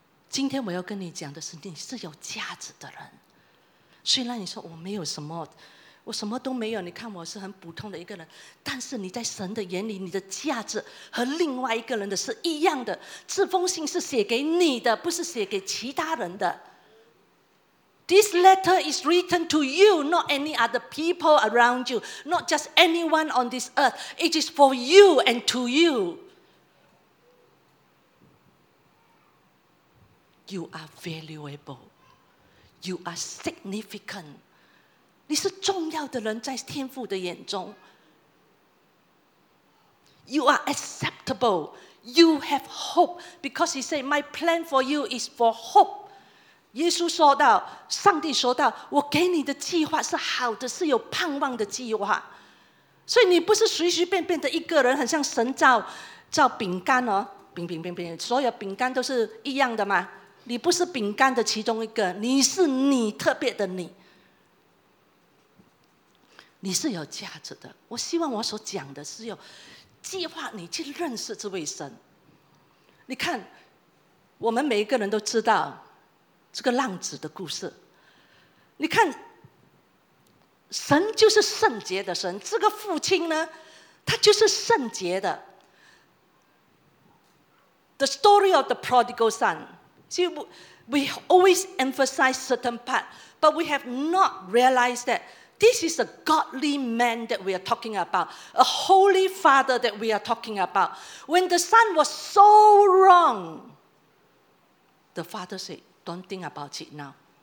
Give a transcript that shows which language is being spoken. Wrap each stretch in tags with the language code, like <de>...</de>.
<zh>今天我要跟你讲的是，你是有价值的人。虽然你说我没有什么，我什么都没有，你看我是很普通的一个人，但是你在神的眼里，你的价值和另外一个人的是一样的。这封信是写给你的，不是写给其他人的。</zh> <en>This letter is written to you, not any other people around you, not just anyone on this earth. It is for you and to you. You are valuable. You are significant.</en> <zh>你是重要的人，在天父的眼中。</zh> <en>You are acceptable. You have hope. Because he said, my plan for you is for hope.</en> <zh>耶稣说到，上帝说到，我给你的计划是好的，是有盼望的计划。所以你不是随随便便的一个人，很像神造饼干哦，饼饼饼饼，所有饼干都是一样的吗？你不是饼干的其中一个，你是你特别的你，你是有价值的。我希望我所讲的是有计划你去认识这位神。你看，我们每一个人都知道这个浪子的故事，你看，神就是圣洁的神，这个父亲呢，他就是圣洁的。</zh> <en>The story of the prodigal son. See, we always emphasize certain part, but we have not realized that this is a godly man that we are talking about, a holy father that we are talking about. When the son was so wrong, the father said,Don't think about it now.</en>